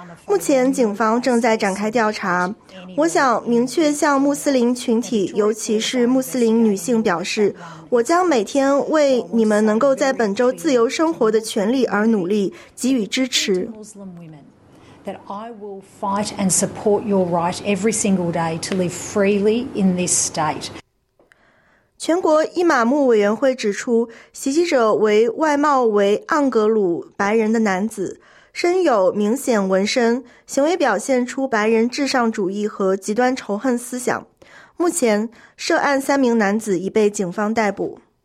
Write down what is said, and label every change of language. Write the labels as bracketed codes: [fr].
[zh] 目前警方正在展开调查。我想明确向穆斯林群体，尤其是穆斯林女性表示，我将每天为你们能够在本州自由生活的权利而努力，给予支持。 [en] That I will fight and support your right every single day to live freely in this state. [zh] 全国伊玛目委员会指出，袭击者为外貌为盎格鲁白人的男子，身有明显纹身，行为表现出白人至上主义和极端仇恨思想。目前，涉案三名男子已被警方逮捕。